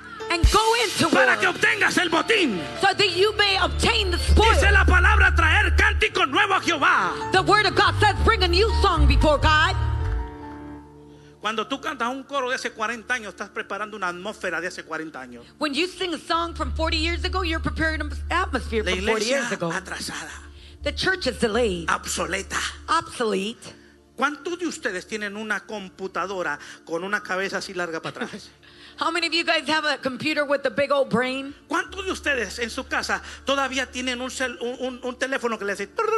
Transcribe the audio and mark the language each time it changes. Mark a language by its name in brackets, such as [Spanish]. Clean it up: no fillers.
[English] And go into [Spanish] para [English] war [Spanish] que obtengas el botín. [English] So that you may obtain the spoil. [Spanish] Dice la palabra, traer cántico nuevo a Jehová. [English] The word of God says bring a new song before God. [Spanish] Cuando tú cantas un coro de hace 40 años, estás preparando una atmósfera de hace 40 años. [English] When you sing a song from 40 years ago, you're preparing an atmosphere from 40 years ago. [Spanish] Atrasada. [English] The church is delayed. [Spanish] Obsoleta. [English] Obsolete. [Spanish] ¿Cuántos de ustedes tienen una computadora con una cabeza así larga para atrás? [English] How many of you guys have a computer with a big old brain? [Spanish] ¿Cuántos de ustedes en su casa todavía tienen un teléfono que le hace?